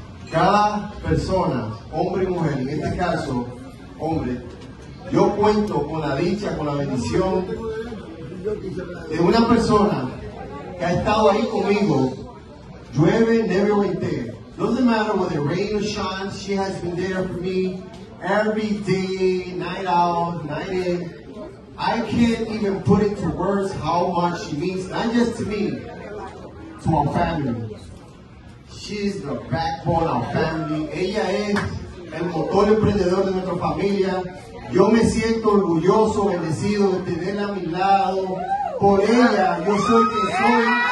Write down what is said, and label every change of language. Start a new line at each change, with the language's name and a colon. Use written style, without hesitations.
Spanish: Cada persona, hombre y mujer, en este caso, hombre, yo cuento con la dicha, con la bendición de una persona que ha estado ahí conmigo, llueve, nieve o vente.
English: Doesn't matter whether rain or shine, she has been there for me every day, night out, night in. I can't even put into words how much she means, not just to me, to our family. She's the backbone of our family.
Spanish: Ella es el motor emprendedor de nuestra familia. Yo me siento orgulloso, bendecido de tenerla a mi lado. Por ella, yo soy quien soy.